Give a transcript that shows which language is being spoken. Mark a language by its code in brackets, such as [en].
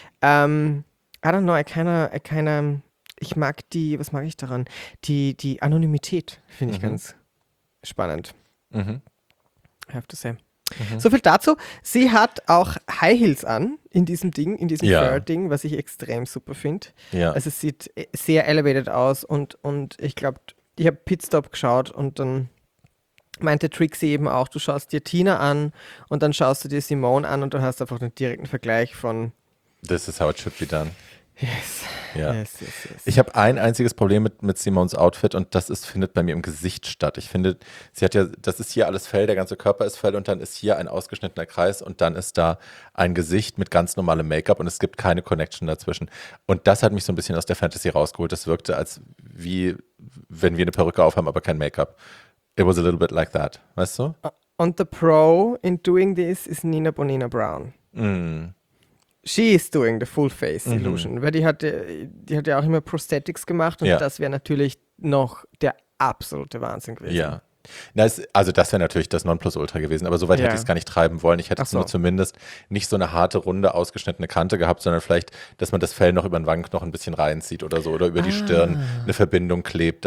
[en] I don't know, I kinda, [de] ich mag die, was mag ich daran? Die Anonymität finde ich ganz spannend. Mhm. [en] I have to say. [de] So viel dazu. Sie hat auch High Heels an in diesem Ding, in diesem Fur-Ding, was ich extrem super finde. Ja. Also es sieht sehr elevated aus und ich glaube, ich habe Pitstop geschaut und dann meinte Trixie eben auch, du schaust dir Tina an und dann schaust du dir Simone an und du hast einfach einen direkten Vergleich von [en] This is how it should be done. Yes. [de] Ja. [en] Yes, yes, yes. [de] Ich habe ein einziges Problem mit Simones Outfit und das findet bei mir im Gesicht statt. Ich finde, sie hat ja, das ist hier alles Fell, der ganze Körper ist Fell und dann ist hier ein ausgeschnittener Kreis und dann ist da ein Gesicht mit ganz normalem Make-up und es gibt keine Connection dazwischen. Und das hat mich so ein bisschen aus der Fantasy rausgeholt. Das wirkte als wie, wenn wir eine Perücke aufhaben, aber kein Make-up. [en] It was a little bit like that, [de] weißt du? [en] And the pro in doing this is Nina Bonina Brown. Mm. She is doing the full face illusion. [de] Weil die hat ja auch immer Prosthetics gemacht und das wäre natürlich noch der absolute Wahnsinn gewesen. Ja. Also das wäre natürlich das Nonplusultra gewesen, aber soweit hätte ich es gar nicht treiben wollen. Ich hätte es nur zumindest nicht so eine harte, runde, ausgeschnittene Kante gehabt, sondern vielleicht, dass man das Fell noch über den Wangenknochen noch ein bisschen reinzieht oder so oder über die Stirn eine Verbindung klebt.